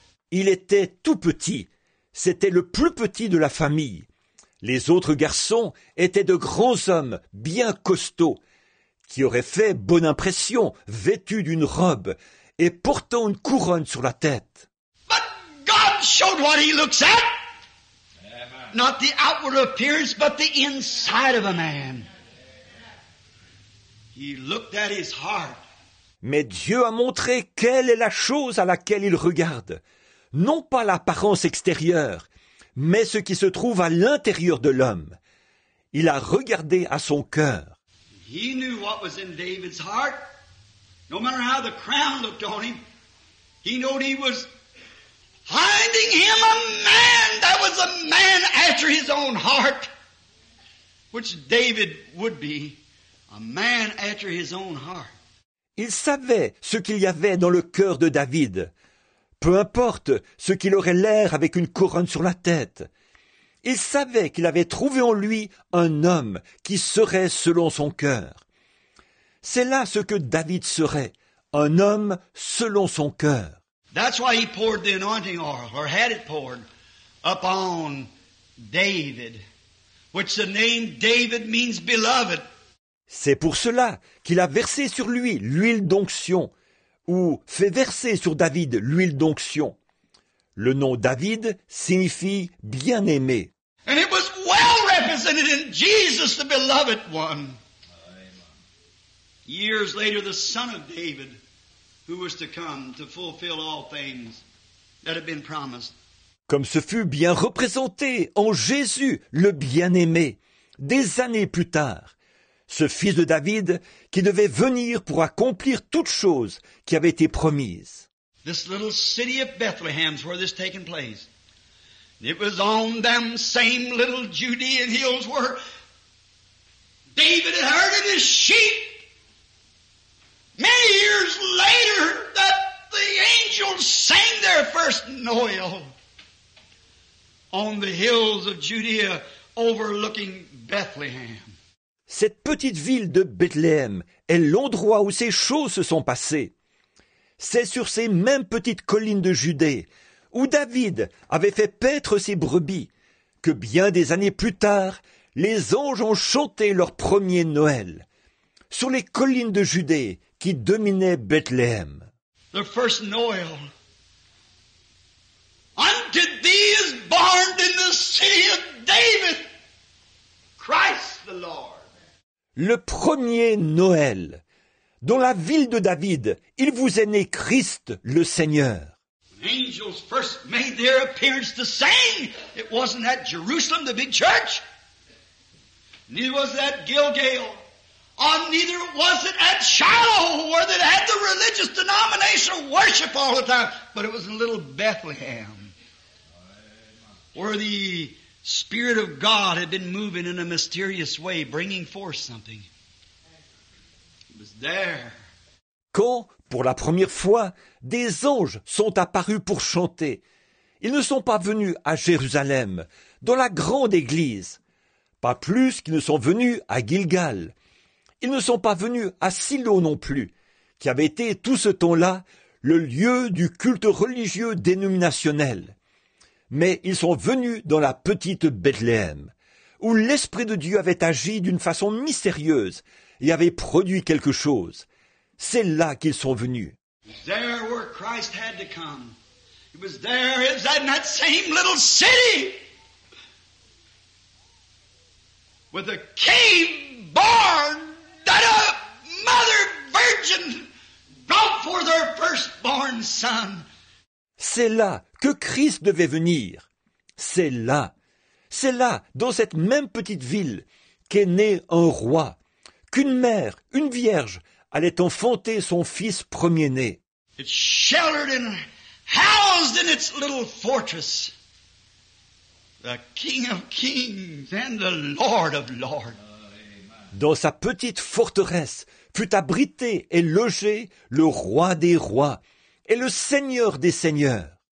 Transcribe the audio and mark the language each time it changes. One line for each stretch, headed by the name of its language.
French: Il était tout petit. C'était le plus petit de la famille. Les autres garçons étaient de grands hommes, bien costauds, qui auraient fait bonne impression, vêtus d'une robe et portant une couronne sur la tête.
English: But God showed what he looks at. Not the outward appearance, but the inside of a man. He looked at his heart.
French: Mais Dieu a montré quelle est la chose à laquelle il regarde. Non pas l'apparence extérieure, mais ce qui se trouve à l'intérieur de l'homme. Il a regardé à son cœur.
English: He knew what was in David's heart. No matter how the crown looked on him, he knew he was finding him a man that was a man after his own heart. Which David would be. A man after his own heart.
French: Il savait ce qu'il y avait dans le cœur de David. Peu importe ce qu'il aurait l'air avec une couronne sur la tête. Il savait qu'il avait trouvé en lui un homme qui serait selon son cœur. C'est là ce que David serait, un homme selon son cœur.
English: That's why he poured the anointing oil, or had it poured, upon David, which the name David means beloved.
French: C'est pour cela qu'il a versé sur lui l'huile d'onction, ou fait verser sur David l'huile d'onction. Le nom David signifie bien-aimé.
English: And it was well represented in Jesus, the beloved one. Years later, the son of David, who was to come to fulfill all things that had been promised.
French: Comme ce fut bien représenté en Jésus, le bien-aimé, des années plus tard. Ce fils de David qui devait venir pour accomplir toutes choses qui avaient été promises.
English: This little city of Bethlehem is where this taken place. It was on them same little Judean hills where David had heard of his sheep. Many years later that the angels sang their first Noel on the hills of Judea overlooking Bethlehem.
French: Cette petite ville de Bethléem est l'endroit où ces choses se sont passées. C'est sur ces mêmes petites collines de Judée où David avait fait paître ses brebis que bien des années plus tard, les anges ont chanté leur premier Noël sur les collines de Judée qui dominaient Bethléem.
English: The first Noel. Unto thee is born in the city of David, Christ the Lord.
French: Le premier Noël, dans la ville de David, il vous est né Christ le Seigneur.
English: When angels first made their appearance to sing, it wasn't at Jerusalem, the big church. Neither was it at Gilgal. Neither was it at Shiloh, where they had the religious denominational worship all the time. But it was in little Bethlehem, where the Spirit of God had been moving in a mysterious way, bringing forth something. It was there.
French: Quand, pour la première fois, des anges sont apparus pour chanter, ils ne sont pas venus à Jérusalem, dans la grande église, pas plus qu'ils ne sont venus à Gilgal. Ils ne sont pas venus à Silo non plus, qui avait été tout ce temps-là le lieu du culte religieux dénominationnel. Mais ils sont venus dans la petite Bethléem, où l'Esprit de Dieu avait agi d'une façon mystérieuse et avait produit quelque chose. C'est là qu'ils sont venus.
English: There where Christ had to come. It was there, it was in that same little city. With a king born that a mother virgin brought for their firstborn son.
French: C'est là que Christ devait venir. C'est là. C'est là, dans cette même petite ville, qu'est né un roi, qu'une mère, une vierge, allait enfanter son fils premier-né.
English: It's sheltered and housed in its little fortress. The King of Kings and the Lord of Lords.
French: Dans sa petite forteresse fut abrité et logé le roi des rois et le seigneur des seigneurs.